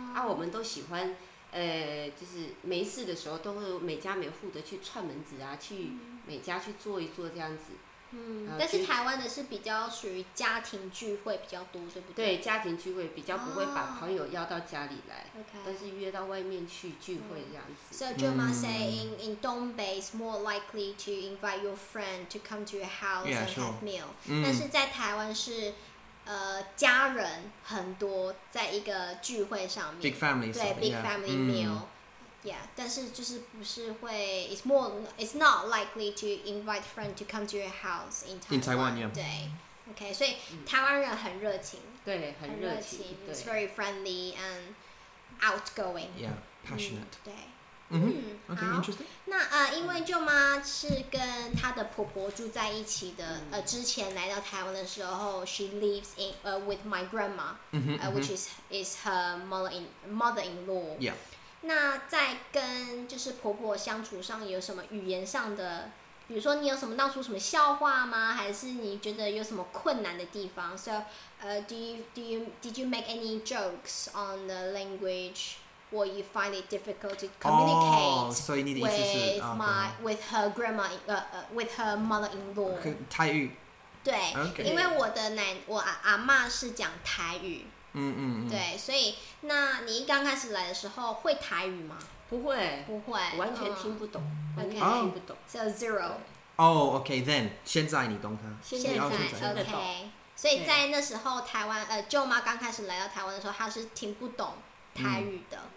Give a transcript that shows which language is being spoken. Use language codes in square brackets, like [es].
[zh] 我们都喜欢，就是没事的时候都会每家每户的去串门子啊，去每家去坐一坐这样子。但是台湾的是比较属于家庭聚会比较多，对不对？对，家庭聚会比较不会把朋友邀到家里来。 [en] Okay. [zh] 但是约到外面去聚会这样子。 [en] So Joma say in Dongbei is more likely to invite your friend to come to your house yeah, and have meal. Sure. [zh] 但是在台湾是家人很多在一个聚会上面。 [en] Big family. 对 ，big family meal. Yeah, [zh] 但是就是不是会 [en] it's not likely to invite friend to come to your house in Taiwan. In Taiwan, yeah. [zh] 对 ，OK, 所以台湾人很热情，对，很热情， [en] it's very friendly and outgoing. Yeah, passionate. [zh] 对， [en] okay, interesting. [zh] 那因为舅妈是跟她的婆婆住在一起的，之前来到台湾的时候 ， [en] she lives in with my grandma, which is her mother-in-law. Yeah. [zh] 那在跟就是婆婆相处上有什么语言上的，比如说你有什么闹出什么笑话吗？还是你觉得有什么困难的地方 [en] ？So, did you make any jokes on the language, or you find it difficult to communicate with her grandma, with her mother-in-law? [zh] 台语。对， [en] okay. [zh] 因为我阿嬷是讲台语。对，所以那你刚开始来的时候会台语吗？不会，完全听不懂。 [en] Okay, [zh] 听不懂。 [en] So zero. Oh, okay. Then [zh] 现在你懂它。现在 OK。所以在那时候台湾舅妈刚开始来到台湾的时候，她是听不懂台语的。